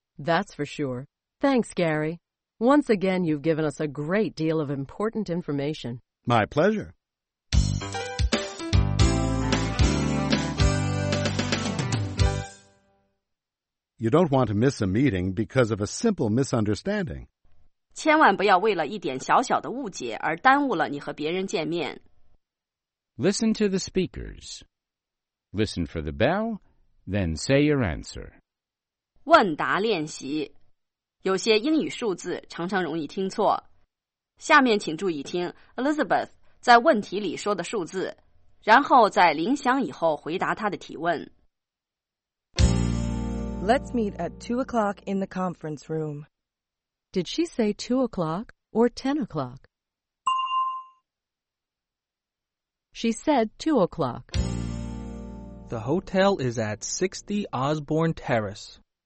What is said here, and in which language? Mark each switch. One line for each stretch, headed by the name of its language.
English: That's for sure. Thanks, Gary. Once again, you've given us a great deal of important information. My pleasure. You don't want to miss a meeting because of a simple misunderstanding.
Chinese: 千万不要为了一点小小的误解而耽误了你和别人见面。
English: Listen to the speakers. Listen for the bell, then say your answer.
Chinese: 问答练习。有些英语数字常常容易听错。下面请注意听 Elizabeth 在问题里说的数字，然后在铃响以后回答她的提问。
English: Let's meet at 2 o'clock in the conference room. Did she say 2 o'clock or 10 o'clock? She said 2 o'clock. The hotel is at 60 Osborne Terrace.